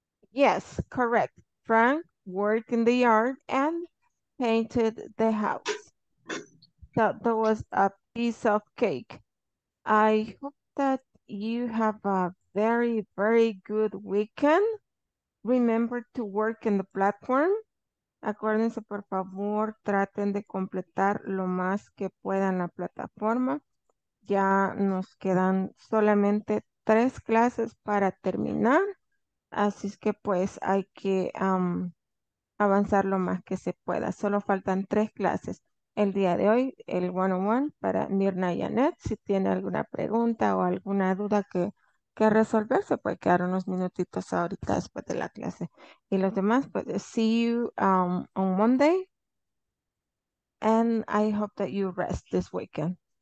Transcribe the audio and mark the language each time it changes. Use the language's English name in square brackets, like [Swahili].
[English] Yes, correct. Frank worked in the yard and painted the house. So that was a piece of cake. I hope that you have a very, very good weekend. Remember to work in the platform. [Spanish] Acuérdense, por favor, traten de completar lo más que puedan la plataforma. Ya nos quedan solamente 3 clases para terminar. Así es que pues hay que avanzar lo más que se pueda. Solo faltan 3 clases el día de hoy, el one-on-one para Mirna y Annette. Si tiene alguna pregunta o alguna duda que resolver, se puede quedar unos minutitos ahorita después de la clase. Y los demás, pues, [English] see you on Monday. And I hope that you rest this weekend.